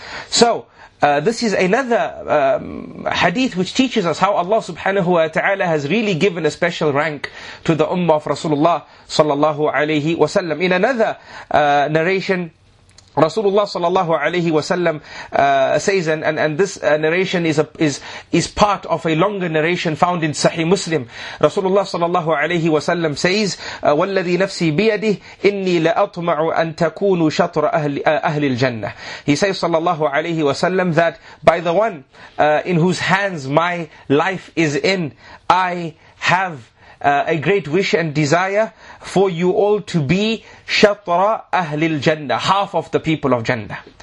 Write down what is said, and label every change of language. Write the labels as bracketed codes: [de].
[en] So this is another hadith which teaches us how Allah subhanahu wa ta'ala has really given a special rank to the ummah of Rasulullah sallallahu alayhi wa sallam. In another narration, Rasulullah sallallahu alayhi wa sallam says, and this narration is part of a longer narration found in Sahih Muslim. Rasulullah sallallahu alayhi wa sallam says, [ar] وَالَّذِي نَفْسِي بِيَدِهِ إِنِّي لَأَطْمَعُ أَن تَكُونُ شَطْرَ أَهْلِ الْجَنَّةِ. [en] He says sallallahu alayhi wa sallam that by the one in whose hands my life is in, I have a great wish and desire for you all to be shatra ahlil jannah, half of the people of Jannah.